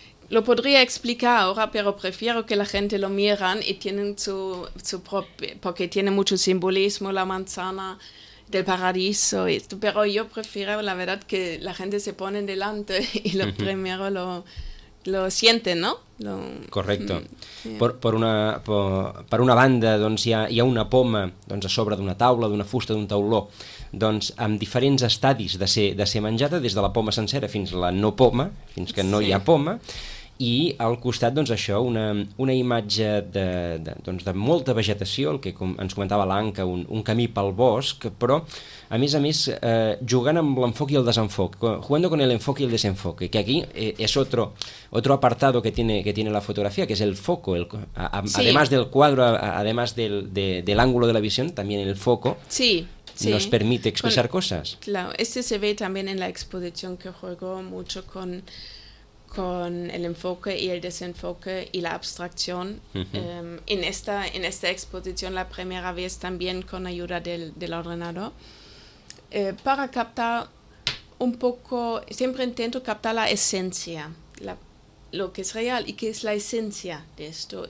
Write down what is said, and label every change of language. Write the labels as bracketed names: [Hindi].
[Spanish] Lo podría explicar ahora, pero prefiero que la gente lo miran y tienen su propio, porque tiene mucho simbolismo la manzana del paraíso. Pero yo prefiero, la verdad, que la gente se pone delante y lo primero lo siente, ¿no? Correcto. [Catalan] Per una banda, doncs, hi ha una poma, doncs, a sobre d'una taula, d'una fusta, d'un tauló, doncs, amb diferents estadis de ser menjada, des de la poma sencera fins a la no poma, fins que no hi ha poma, i al costat, doncs, això, una imatge de molta vegetació, el que ens comentava l'Anca, un camí pel bosc, però, a més, jugant amb l'enfoc i el desenfoc, [Spanish] jugando con el enfoque y el desenfoque, que aquí es otro apartado que tiene la fotografía, que es el foco, además del cuadro, además del ángulo de la visión, también el foco nos permite expresar cosas. Claro, este se ve también en la exposición, que juego mucho con... con el enfoque y el desenfoque y la abstracción. En esta exposición, la primera vez también con ayuda del ordenador, para captar un poco, siempre intento captar la esencia, lo que es real y qué es la esencia de esto.